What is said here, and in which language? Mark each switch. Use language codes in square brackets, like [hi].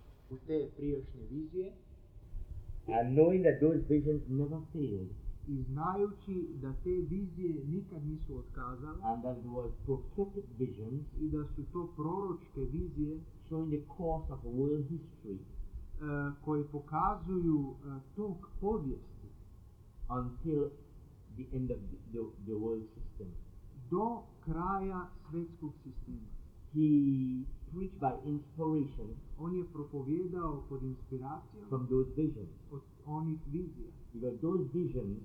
[sr] u te prijašnje vizije. [en] And knowing that those visions never failed. [sr] I znajući da te vizije nikad nisu otkazale, [en] and that it was prophetic visions, [sr] i da su to proročke vizije, [en] showing the course of world history, [sr] koje pokazuju tok povijesti, [en] until the end of the world system, [sr] do kraja svjetskog sistema. [en] He preached by inspiration, [sr] on je propovjedao pod inspiracijom, [en] from those visions, [sr] od onih vizija. [en] Because those visions,